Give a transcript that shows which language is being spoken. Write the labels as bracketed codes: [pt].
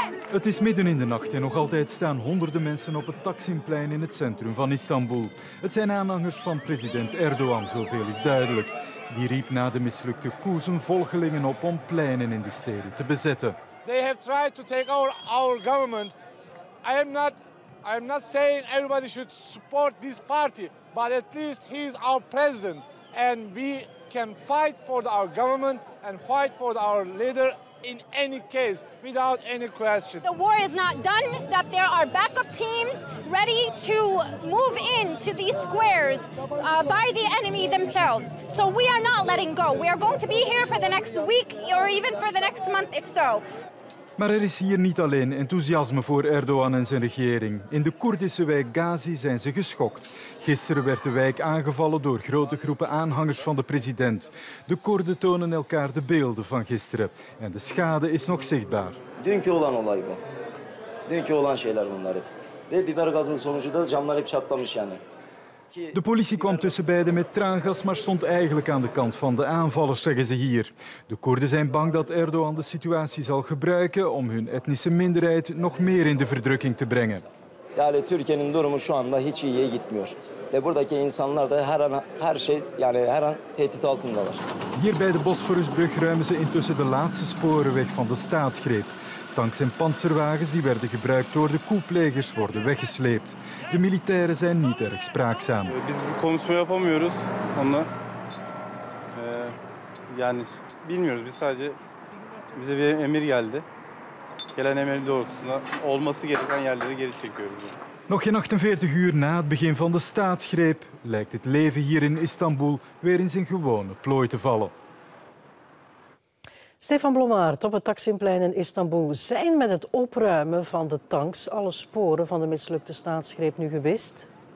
[nl] Het is midden in de nacht en nog altijd staan honderden mensen op het Taksimplein in het centrum van Istanbul. Het zijn aanhangers van president Erdogan, zoveel is duidelijk. Die riep na de mislukte coup zijn volgelingen op om pleinen in de steden te bezetten. [en] They have tried to take our government. I am not saying everybody should support this party, but at least he is our president and we can fight for our government and fight for our leader. In any case, without any question. The war is not done, that there are backup teams ready to move in to these squares by the enemy themselves. So we are not letting go. We are going to be here for the next week or even for the next month if so. [nl] Maar er is hier niet alleen enthousiasme voor Erdogan en zijn regering. In de Koerdische wijk Gazi zijn ze geschokt. Gisteren werd de wijk aangevallen door grote groepen aanhangers van de president. De Koerden tonen elkaar de beelden van gisteren. En de schade is nog zichtbaar. [tr] Dünkü olan olay bu. Dünkü olan şeyler bunlar hep. Ve bibergazın sonucu da camlar hep çatlamış yani. [nl] De politie kwam tussen beiden met traangas, maar stond eigenlijk aan de kant van de aanvallers, zeggen ze hier. De Koerden zijn bang dat Erdogan de situatie zal gebruiken om hun etnische minderheid nog meer in de verdrukking te brengen. [tr] Yani Türkiye'nin durumu şu anda hiç iyiye gitmiyor. Ve buradaki insanlar da her an tehdit altındalar. [nl] Hier bij de Bosphorusbrug ruimen ze intussen de laatste sporen weg van de staatsgreep. Tanks en panzerwagens die werden gebruikt door de coupplegers worden weggesleept. De militairen zijn niet erg spraakzaam. [tr] Biz konuşma yapamıyoruz onunla. Yani bilmiyoruz. Biz sadece bize bir emir geldi. Gelen emir doğrultusunda olması gereken yerleri geri çekiyoruz. [nl] Nog geen 48 uur na het begin van de staatsgreep lijkt het leven hier in Istanbul weer in zijn gewone plooi te vallen. Stefan Blommaert, op het Taksimplein in Istanbul. Zijn met het opruimen van de tanks alle sporen van de mislukte staatsgreep nu gewist?